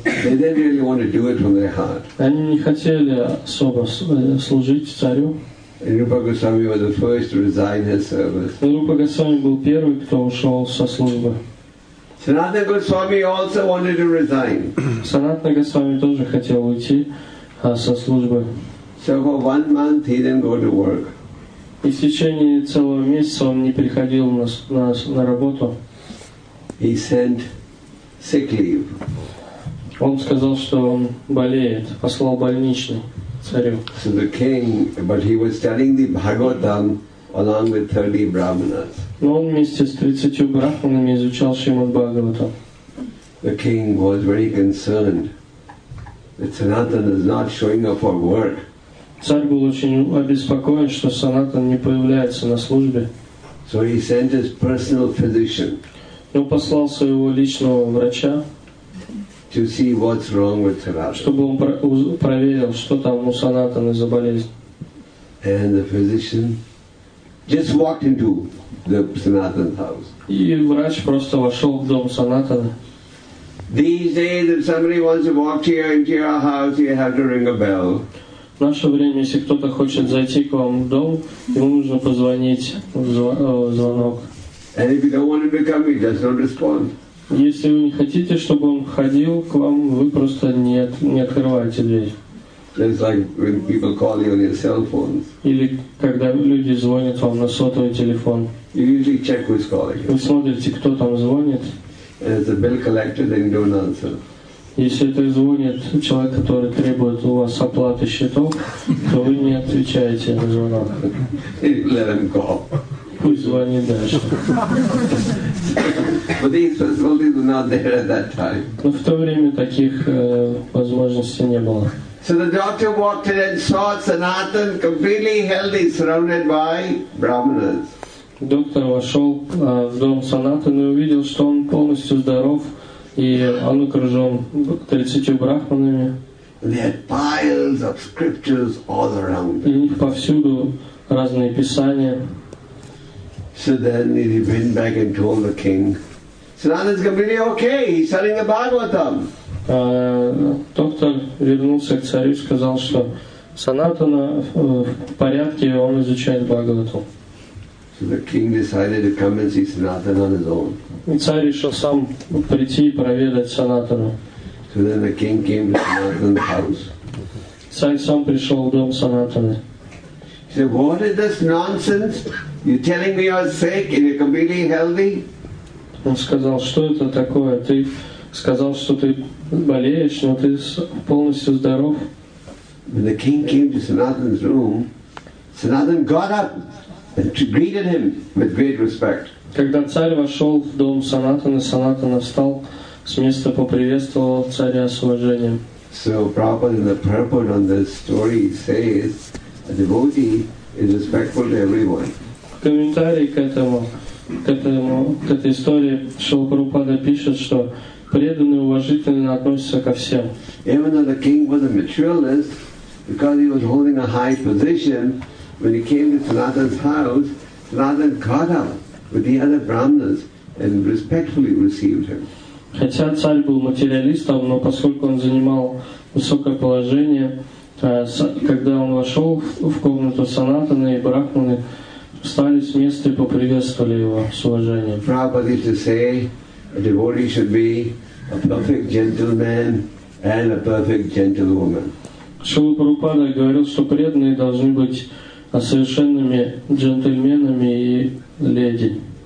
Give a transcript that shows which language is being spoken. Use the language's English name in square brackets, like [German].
[English] They didn't really want to do it from their heart. [Russian] Они не хотели особо служить царю. [English] And Rupa Goswami was the first to resign his service. [Russian] Рупа Госвами был первый, кто ушел со службы. [English] Sanatana Goswami also wanted to resign. [Russian] Sanatana Goswami тоже хотел уйти со службы. [English] So for 1 month he didn't go to work. [Russian] И в течение целого месяца он не приходил на работу. [English] He sent sick leave. [Russian] Он сказал, что он болеет, послал больничный царю. [English] So the king, but he was studying the Bhagavatam along with 30 brahmanas. [Russian] Но он вместе с 30 брахманами изучал Шримад Бхагаватам. [English] The king was very concerned that Sanatana is not showing up for work. [Russian] Царь был очень обеспокоен, что Санатан не появляется на службе. [English] So he sent his personal physician. [Russian] Он послал своего личного врача. [English] To see what's wrong with Sanatan. [Russian] Чтобы он проверил, что там у Санатана за болезнь. [English] And the physician just walked into the Sanatan's house. [Russian] И врач просто вошел в дом Санатана. [English] These days, if somebody wants to walk here into your house, you have to ring a bell. [Russian] В наше время, если кто-то хочет зайти к вам в дом, ему нужно позвонить в звонок. [English] And if you don't want him to come, he just don't respond. [Russian] Если вы не хотите, чтобы он ходил к вам, вы просто не открываете дверь. [English] It's like when people call you on your cell phones. [Russian] Или когда люди звонят вам на сотовый телефон. [English] You usually check who's calling. [Russian] Вы смотрите, кто там звонит. [English] And if it's a bill collector, then you don't answer. [Russian] Если это звонит человек, который требует у вас оплаты счетов, то вы не отвечаете на звонок. [English] Let him go. [Russian] Пусть звонит дальше. [English] But these facilities were not there at that time. [Russian] Но в то время таких возможностей не было. [English] So the doctor walked in and saw Sanatan completely healthy, surrounded by brahmanas. [Russian] Доктор вошел в дом Санатана и увидел, что он полностью здоров. И он окружен 30 брахманами. [English] They had piles of scriptures all around them. [Russian] И у них повсюду разные писания. [English] So then he went back and told the king, Sanatan is completely okay, he's studying the Bhagavatam. [Russian] Доктор вернулся к царю и сказал, что Санатана в порядке, он изучает Бхагавату. [English] So the king decided to come and see Sanatan on his own. [Russian] И царь решил сам прийти и проведать Санатану. [English] So then the king came to Sanatan's house. [Russian] Царь сам пришел в дом Санатаны. [English] He said, what is this nonsense? You're telling me you're sick and you're completely healthy? [Russian] Он сказал, что это такое? Ты сказал, что ты болеешь, но ты полностью здоров. [English] When the king came to Sanatan's room, Sanatan got up and greeted him with great respect. [Russian] Когда царь вошел в дом Санатана, Санатана встал с места, поприветствовал царя с уважением. [English] So Prabhupada in the purport on this story says a devotee is respectful to everyone. [Russian] В комментарии к этой истории Шрила Прабхупада пишет, что преданный уважительно относится ко всем. [English] Even though the king was a materialist, because he was holding a high position, when he came to Sanatana's house, Sanatana got up with the other brahmanas and respectfully received him. [Russian] Хотя царь был материалистом, но поскольку он занимал высокое положение, когда он вошел в комнату Санатаны и брахманы встали с места и поприветствовали его с уважением. [English] Prabhupada used to say, a devotee should be a perfect gentleman and a perfect gentlewoman. [Russian] Шрила Прабхупада говорил, что преданные должны быть совершенными джентльменами и леди.